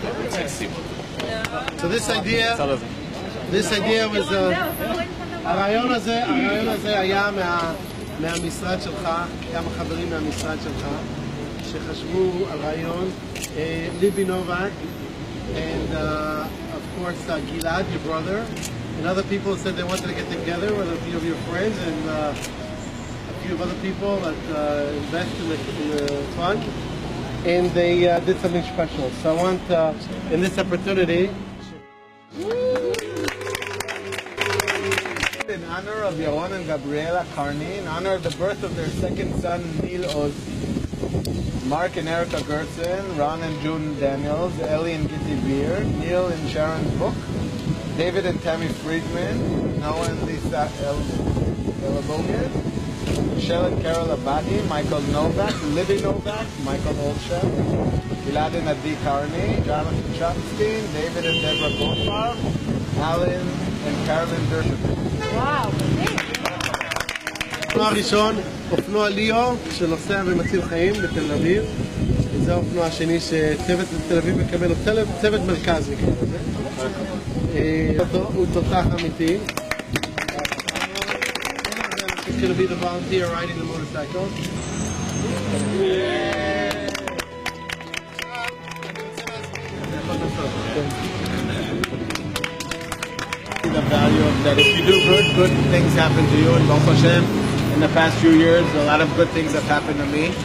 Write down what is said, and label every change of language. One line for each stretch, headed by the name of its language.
English: So this idea was
Hebrew: הרעיון הזה, היה מהמשרד שלך, היה מחברים מהמשרד שלך שחשבו על רעיון.
English: ליבי נובק, and of course גלעד, your brother, and other people said they wanted to get together with a few of your friends and a few of other people that invest in the fund, and they did something special. So I want in this opportunity in honor of Yaron and Gabriela Carney, in honor of the birth of their second son Neil Oz, Mark and Erica Gerson, Ron and June Daniels, Ellie and Kitty Beer, Neil and Sharon Book, David and Tammy Friedman, Noah and Lisa Elabogan, Michelle and Carol Abadi, Michael Novak, Libby Novak, Michael Olshan, Gilad and Adi Carney, Jonathan Chumstein, David and Deborah Goldfarb, Alan and Carolyn Dershowitz. Wow!
Hebrew: אופנוע ראשון, אופנוע ליאו, שנוסע ומציל חיים בתל אביב. זה האופנוע השני שצוות בתל אביב מקבל, צוות מרכז מקבל את זה. הוא תותח אמיתי.
English: The value of that, if you do good, good things happen to you, and Baruch Hashem, in the past few years, a lot of good things have happened to me.